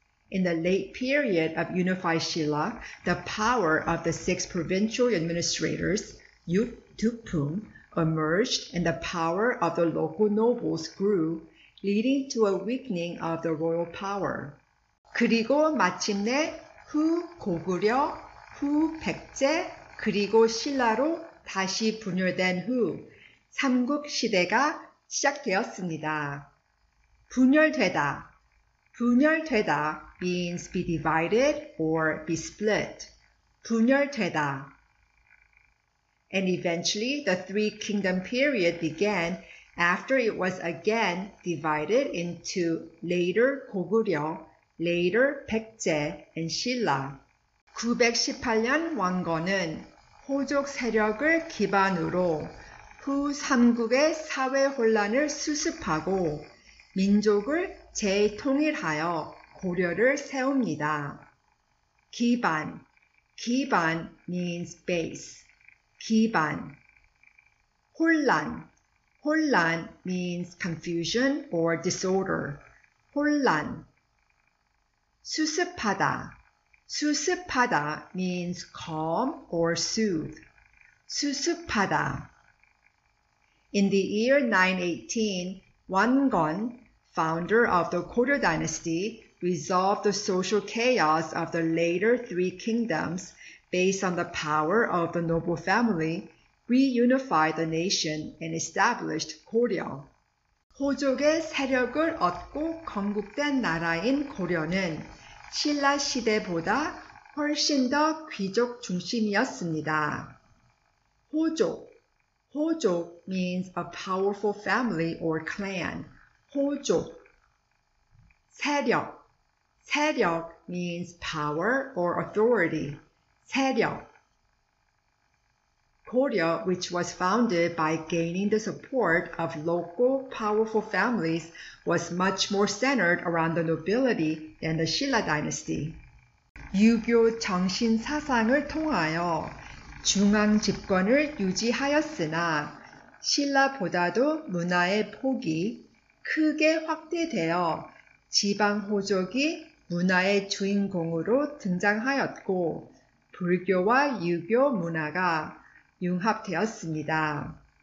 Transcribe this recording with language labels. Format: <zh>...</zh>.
<en>In the late period of unified Silla, the power of the six provincial administrators, Yuk Dupung, emerged and the power of the local nobles grew, leading to a weakening of the royal power.</en> <ko>그리고 마침내 후 고구려, 후 백제, 그리고 신라로 다시 분열된 후 삼국 시대가 시작되었습니다.</ko> <en>분열되다. 분열되다 means be divided or be split.</en> <ko>분열되다.</ko> <en>And eventually, the Three Kingdom period began after it was again divided into later 고구려, later 백제, and Silla.</en> <ko>918년 왕건은 호족 세력을 기반으로 후 삼국의 사회 혼란을 수습하고 민족을 재통일하여 고려를 세웁니다. 기반. 기반 means base. 기반. 혼란.</ko> <en>혼란 means confusion or disorder. 혼란. 수습하다. 수습하다 means calm or soothe.</en> <ko>수습하다.</ko> <en>In the year 918, Wangon, founder of the Goryeo dynasty, resolved the social chaos of the later three kingdoms based on the power of the noble family, reunified the nation, and established Goryeo.</en> <ko>호족의 세력을 얻고 건국된 나라인 고려는 신라 시대보다 훨씬 더 귀족 중심이었습니다.</ko> <en>호족, 호족 means a powerful family or clan. 호족, 세력, 세력 means power or authority.</en> <ko>세력.</ko> <en>Goryeo, which was founded by gaining the support of local powerful families, was much more centered around the nobility than the Silla dynasty.</en> <ko>유교 정신 사상을 통하여 중앙 집권을 유지하였으나 신라보다도 문화의 폭이 크게 확대되어 지방 호족이 문화의 주인공으로 등장하였고 불교와 유교 문화가 융합되었습니다.</ko>